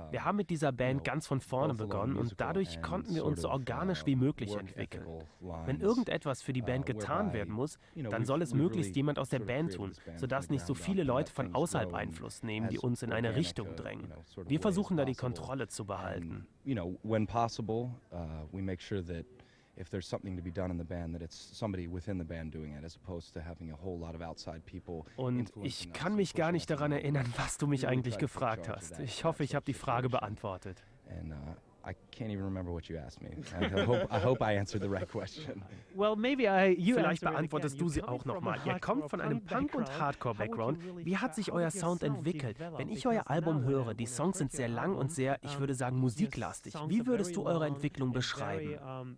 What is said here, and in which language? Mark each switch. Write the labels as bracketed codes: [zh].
[de] Wir haben mit dieser Band ganz von vorne begonnen und dadurch konnten wir uns so organisch wie möglich entwickeln. Wenn irgendetwas für die Band getan werden muss, dann soll es möglichst jemand aus der Band tun, sodass nicht so viele Leute von außerhalb Einfluss nehmen, die uns in eine Richtung drängen. Wir versuchen da die Kontrolle zu behalten. [en] When possible, we make sure that if there's something to be done in the band, that it's somebody within the band doing it, as opposed to having a whole lot of outside people. [de] Und ich kann mich gar nicht daran erinnern, was du mich eigentlich gefragt hast. Ich hoffe, ich habe die Frage beantwortet. [en] I can't even remember what you asked me. I hope I answered the right question. Well, maybe [de] vielleicht beantwortest du sie auch nochmal. Ihr kommt von einem Punk- und Hardcore-Background. Wie hat sich euer Sound entwickelt? Wenn ich euer Album höre, die Songs sind sehr lang und sehr, ich würde sagen, musiklastig. Wie würdest du eure Entwicklung beschreiben?